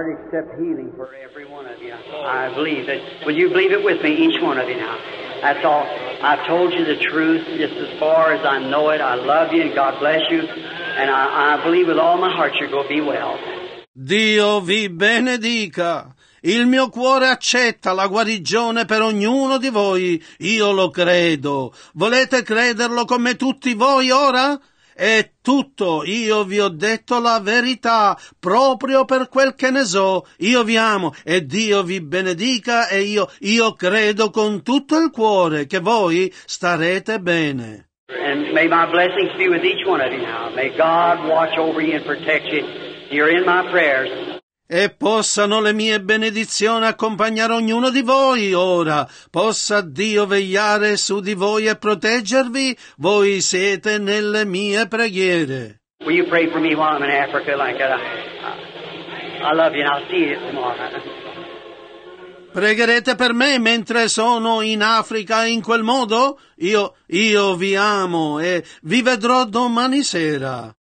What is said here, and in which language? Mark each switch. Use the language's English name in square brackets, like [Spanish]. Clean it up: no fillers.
[English] Accept healing for every one of you. I believe it. Will you believe it with me, each one of you now? That's all. I've told you the truth just as far as I know it. I love you and God bless you. And I believe with all my heart you're going to be well. [Italian] Dio vi benedica. Il mio cuore accetta la guarigione per ognuno di voi. Io lo credo. Volete crederlo come tutti voi ora? È tutto, io vi ho detto la verità, proprio per quel che ne so. Io vi amo e Dio vi benedica e io credo con tutto il cuore che voi starete bene. [English] And may my blessings be with each one of you now. May God watch over you and protect you. You're in my prayers. [Italian] E possano le mie benedizioni accompagnare ognuno di voi ora. Possa Dio vegliare su di voi e proteggervi. Voi siete nelle mie preghiere. [English] Will you pray for me while I'm in Africa? Like I love you and I'll see you tomorrow. [Italian] Pregherete per me mentre sono in Africa in quel modo? Io vi amo e vi vedrò domani sera.